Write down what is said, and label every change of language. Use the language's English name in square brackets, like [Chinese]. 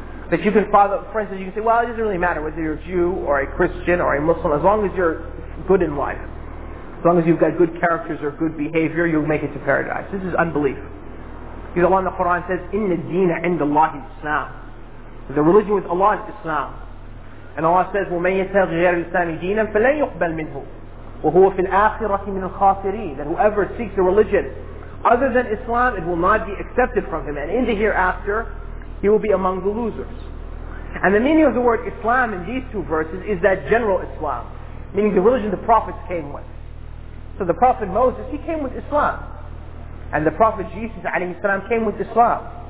[English] That you can follow, for instance, you can say, well, it doesn't really matter whether you're a Jew or a Christian or a Muslim, as long as you're good in life. As long as you've got good characters or good behavior, you'll make it to paradise. This is unbelief. Because Allah in the Quran says, [Arabic] إِنَّ الدِّينَ عِنْدَ اللَّهِ إِسْلَامِ. [English] The religion with Allah is Islam. And Allah says, [Arabic] وَمَنْ يَتَغْ غَيْرِ الْإِسْلَامِ دِينًا فَلَنْ يُقْبَلْ مِنْهُ وَهُوَ فِي الْآخِرَةِ مِنَ الْخَاسِرِينَ. [English] That whoever seeks a religion other than Islam, it will not be accepted from him. And in the hereafter, he will be among the losers. And the meaning of the word Islam in these two verses is that general Islam, meaning the religion the prophets came with. So the Prophet Moses, he came with Islam. And the Prophet Jesus, alayhi salam, came with Islam.